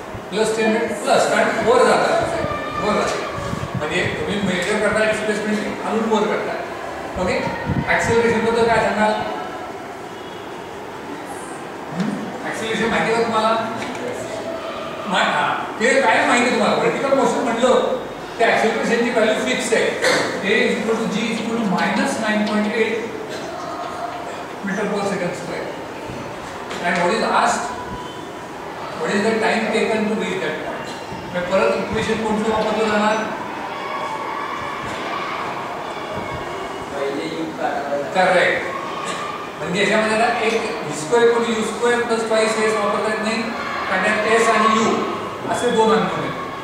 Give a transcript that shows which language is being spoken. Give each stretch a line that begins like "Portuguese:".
Marathi: Plus 10 metre plus, कारण वर जाता वर म्हणजे तुम्ही मेजर करता डिस्प्लेसमेंट खालून वर करता. ओके, ऍक्सिलरेशन बद्दल काय सांगाल? ऍक्सिलरेशन माहिती का तुम्हाला? ते काय माहिती तुम्हाला? व्हर्टिकल मोशन म्हटलं ऍक्सिलरेशनची व्हॅल्यू फिक्स आहे.
English: A is equal to g is equal to minus 9.8 metre per second square. And what is asked? What is the time taken to reach that point?
Marathi: परत इक्वेशन कोणतं वापरलं जाणार? करेक्ट. म्हणजे याच्यामध्ये ना एक व्ही स्क्वेअर कोणी you square plus twice S वापरता येत नाही, कारण त्यात एस आणि यू असे दोन अंक आहेत.